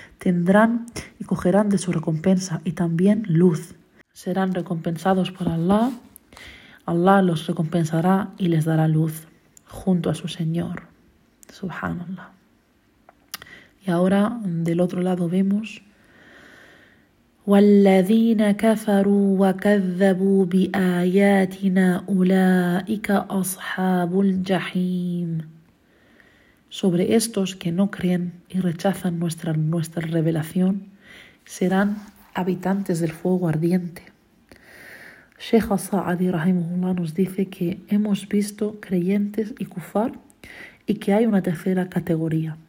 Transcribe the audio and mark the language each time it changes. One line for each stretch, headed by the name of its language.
Spanish: Tendrán y cogerán de su recompensa y también luz. Serán recompensados por Allah. Allah los recompensará y les dará luz junto a su Señor. Subhanallah. Y ahora del otro lado vemos.
Arabic: والذين كفروا وكذبوا بآياتنا أولئك أصحاب الجحيم.
Spanish: Sobre estos que no creen y rechazan nuestra revelación, serán habitantes del fuego ardiente. Sheikh Sa'adi rahimahullah nos dice que hemos visto creyentes y kufar, y que hay una tercera categoría.